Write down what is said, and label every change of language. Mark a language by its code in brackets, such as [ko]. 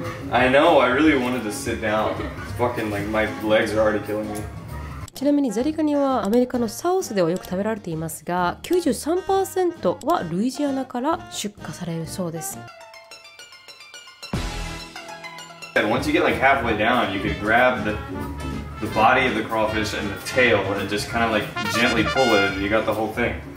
[en] I know, I really wanted to sit down. Fucking like, my legs are already killing me. [ja] ちなみにザリガニはアメリカのサウスではよく食べられていますが、 93% はルイジアナから出荷されるそうです。 [en] Once you get like halfway down, you could grab the body of the crawfish and the tail and just kind of like gently pull it and you got the whole thing.